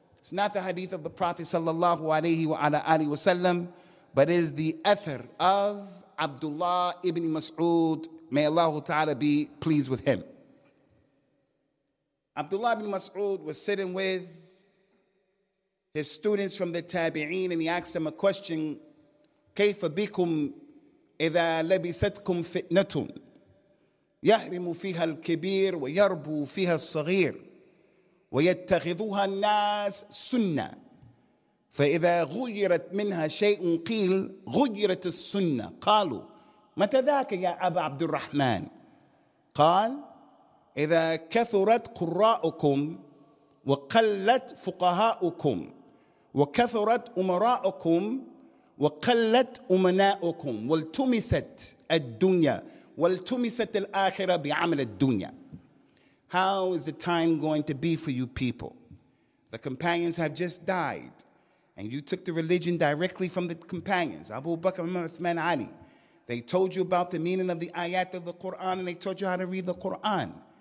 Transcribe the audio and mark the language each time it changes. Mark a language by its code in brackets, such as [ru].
[en] It's not the hadith of the Prophet sallallahu alayhi wa ala alihi wa sallam, but is the athar of Abdullah ibn Mas'ud. May Allah ta'ala be pleased with him. Abdullah ibn Mas'ud was sitting with His students from the Tabi'een, and he asked them a question, [ar] كَيْفَ بِكُمْ إِذَا لَبِسَتْكُمْ فِتْنَةٌ يَهْرِمُ فِيهَا الْكِبِيرُ وَيَرْبُو فِيهَا الصَّغِيرُ وَيَتَّخِذُوهَا النَّاسُ سُنَّةٌ فَإِذَا غُيِّرَتْ مِنْهَا شَيْءٌ قِيلَ غُيِّرَتِ السُنَّةُ قَالُوا متى ذاك يا أبا عبد الرحمن؟ قال إذا كثرت قراءكم وقلت فقهاؤكم وكثرت أمراءكم وقلت أمناؤكم والتمست الدنيا والتمست الآخرة بعمل الدنيا. [en] How is the time going to be for you people? The companions have just died, and you took the religion directly from the companions, Abu Bakr, Umar, Uthman, Ali. They told you about the meaning of the ayat of the Quran, and they taught you how to read the Quran.